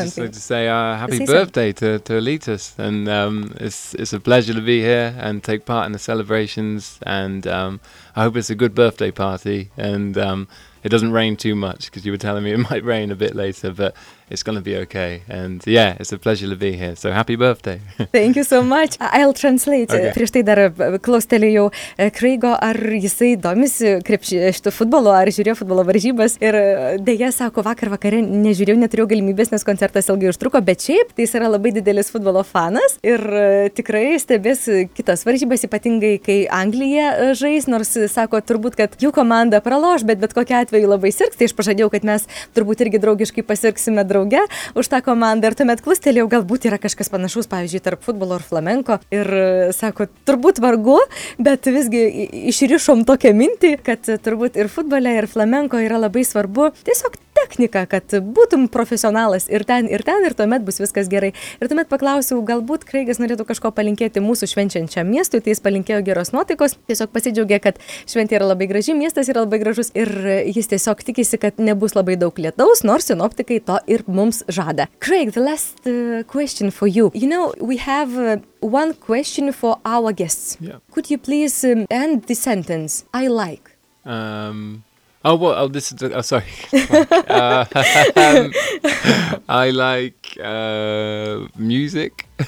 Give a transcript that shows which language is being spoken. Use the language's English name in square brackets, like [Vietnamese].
[English] I'd just like to say happy birthday to Alitos and it's a pleasure to be here and take part in the celebrations, and I hope it's a good birthday party, and it doesn't rain too much, because you were telling me it might rain a bit later, but it's going to be okay. And yeah, it's a pleasure to be here. So happy birthday. Thank you so much. I'll translate. Okay. [Lithuanian] Prieš tai dar klaustelėjau Kreigo, ar jisai domisi šitų futbolo, ar žiūrėjo futbolo varžybas. Ir dėja, sako, vakar vakare nežiūrėjau, neturėjau galimybės, nes koncertas ilgai užtruko, bet šiaip, tai jis yra labai didelis futbolo fanas ir tikrai stebės kitas varžybas, ypatingai kai Anglija žais, nors sako, turbūt, kad jų komanda praloš, bet kokia atveju labai sirgs, tai aš pažadėjau, kad mes turbūt irgi draugiškai pasirksime drauge už tą komandą ir tuomet klustelėjau, galbūt yra kažkas panašaus, pavyzdžiui, tarp futbolo ir flamenko ir sako, turbūt vargu, bet visgi išrišom tokią mintį, kad turbūt ir futbole, ir flamenko yra labai svarbu tiesiog technika, kad būtum profesionalas ir ten, ir tuomet bus viskas gerai. Ir tuomet paklausiau, galbūt Kreigas norėtų kažko palinkėti mūsų švenčiančiam miestui, tai jis palinkėjo geros nuotaikos, tiesiog pasidžiaugė, kad šventė yra labai graži, miestas yra labai gražus ir jis tiesiog tikisi, kad nebus labai daug lietaus, nors sinoptikai to ir mums žada. [English] Craig, the last question for you. You know, we have one question for our guests. Yeah. Could you please end the sentence, I like? I like music.